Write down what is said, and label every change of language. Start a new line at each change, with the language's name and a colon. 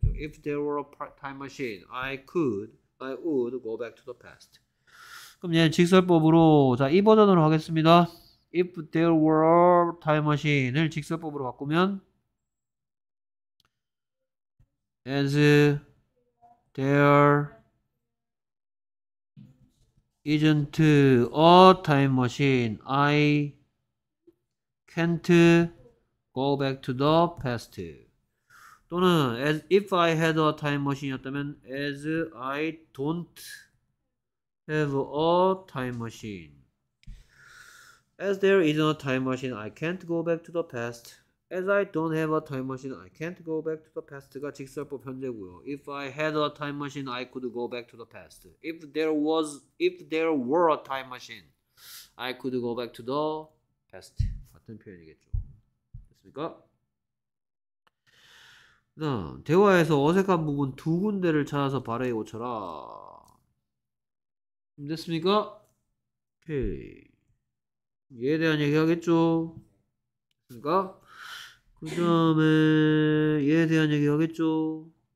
English: If there were a time machine, I would go back to the past.
Korean: 그럼 이제 직설법으로, 자, 이 버전으로 하겠습니다.
English: If there were a time machine을
Korean: 직설법으로 바꾸면,
English: as there isn't a time machine, I can't go back to the past.
Korean: 또는
English: as if I had a time machine
Korean: 였다면,
English: as I don't have a time machine. As there is no time machine, I can't go back to the past. As I don't have a time machine, I can't go back to the past가
Korean: 직설법 현재고요.
English: If I had a time machine, I could go back to the past. If there were a time machine, I could go back to the past.
Korean: 같은 표현이겠죠. 됐습니까? 그다음, 대화에서 어색한 부분 두 군데를 찾아서 발해 고쳐라. 됐습니까? 오케이. 얘에 대한 얘기하겠죠? 그니까, 그 다음에 얘에 대한 얘기하겠죠?